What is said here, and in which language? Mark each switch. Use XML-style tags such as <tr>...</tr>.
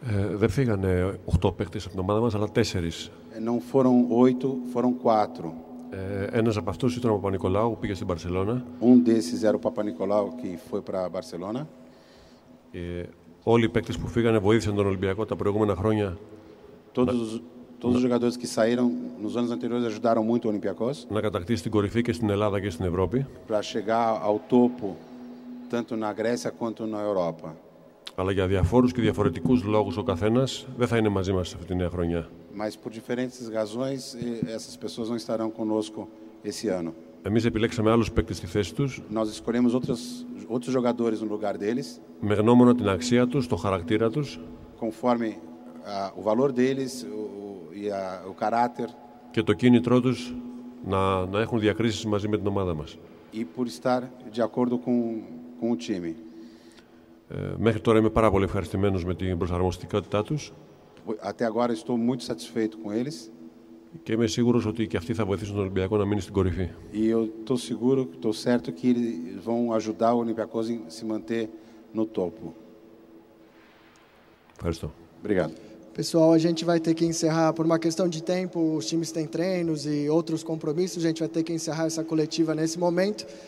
<el>Δεν φύγανε 8 παίχτες από την ομάδα μας, αλλά 4.</el> <pt>Non foram 8, foram 4.</pt> <el>Ένας από αυτούς ήταν ο Παπα-Νικολάου, που πήγε στην Μπαρσελόνα.</el> <pt>Un desses era o Papanicolau que foi para a Barcelona.</pt> <el>Όλοι οι παίχτες που φύγανε βοήθησαν τον Ολυμπιακό τα προηγούμενα χρόνια.</el> <pt>Todos os jogadores que saíram nos anos anteriores ajudaram muito o Olympiacos.</pt> <el>Na κατακτήσει στην κορυφή και στην Ελλάδα και στην Ευρώπη.</el> <pt>Para chegar ao topo tanto na Grécia quanto na Europa.</pt> <el>Αλλά για διαφόρους και διαφορετικούς λόγους ο καθένας δεν θα είναι μαζί μας αυτή τη νέα χρονιά.</el> <pt>Mas por diferentes razões essas pessoas não estarão conosco esse ano.</pt> <el>Εμείς επιλέξαμε άλλους παίκτες στη θέση τους.</el> <pt>Nós escolhemos outros jogadores no lugar deles.</pt> <el>Με γνώμονα την αξία τους, το χαρακτήρα τους.</el> <pt>Conforme o valor deles, o caráter.</pt> <el>Και το κίνητρό τους να έχουν διακρίσεις μαζί με την ομάδα μας.</el> <pt>E por estar de acordo com o time.</pt> <el>Μέχρι τώρα είμαι πάρα πολύ ευχαριστημένος με την προσαρμοστικότητά τους.</el> <pt>Até agora estou muito satisfeito com eles.</pt> <el>Και είμαι σίγουρος ότι και αυτοί θα βοηθήσουν τον Ολυμπιακό να μείνει στην κορυφή.</el> <pt>E eu estou seguro, estou certo que eles vão ajudar o Olympiacos a se manter no topo.</pt> <el>Ευχαριστώ.</el> <pt>Obrigado. Pessoal, a gente vai ter que encerrar por uma questão de tempo, os times têm treinos e outros compromissos, a gente vai ter que encerrar essa coletiva nesse momento.</pt>